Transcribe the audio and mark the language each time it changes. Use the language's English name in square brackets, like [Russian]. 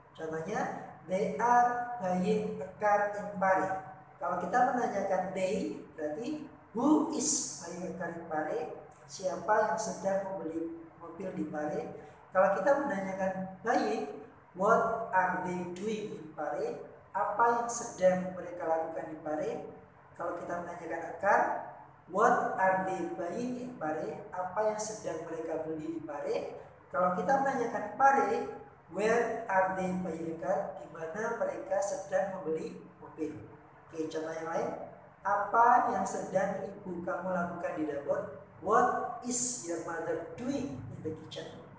[Indonesian] Contohnya, [English] they are buying a car in Paris. [Indonesian] Kalau kita menanyakan [English] they, [Indonesian] berarti [English] who is buying a car in Paris? [Indonesian] Siapa yang sedang membeli mobil di Paris? Kalau kita menanyakan buying, [English] what are they doing in Paris? [Indonesian] Apa yang sedang mereka lakukan di Paris? Kalau kita menanyakan [English] a car, what are they buying in Paris? [Indonesian] Apa yang sedang mereka beli di Paris? Kalau kita menanyakan Paris, [English] where are they buying a car? [Indonesian] Di mana mereka sedang membeli mobil? Oke, contoh yang lain, apa yang sedang ibu kamu lakukan di dapur? [English] What is your mother doing in the kitchen?